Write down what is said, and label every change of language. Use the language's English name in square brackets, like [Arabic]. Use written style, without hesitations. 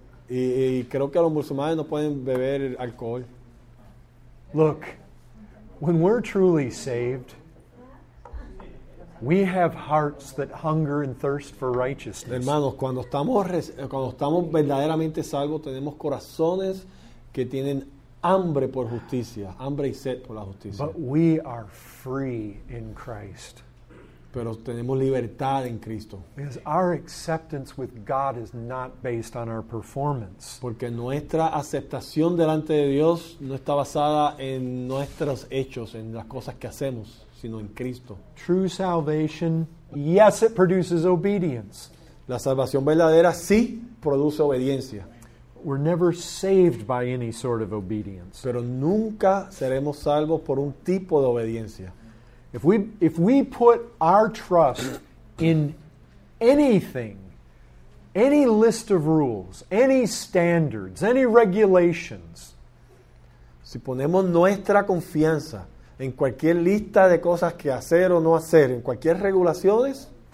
[Spanish] Y creo que los musulmanes no pueden beber alcohol. [English] Look, when we're truly saved, we have hearts that hunger and thirst for righteousness. [Spanish] Hermanos, cuando estamos verdaderamente salvos, tenemos corazones que tienen hambre por justicia, hambre y sed por la justicia. [English] But we are free in Christ. [Spanish] Pero tenemos libertad en Cristo. [English] Because our acceptance with God is not based on our performance. [Spanish] Porque nuestra aceptación delante de Dios no está basada en nuestros hechos, en las cosas que hacemos, sino en Cristo. [English] True salvation, yes, it produces obedience. [Spanish] La salvación verdadera sí produce obediencia. [English] We're never saved by any sort of obedience. [Spanish] Pero nunca seremos salvos por un tipo de obediencia. [English] If we put our trust in anything, any list of rules, any standards, any regulations, [Spanish] si ponemos nuestra confianza en cualquier lista de cosas que hacer o no hacer, en cualquier regulaciones,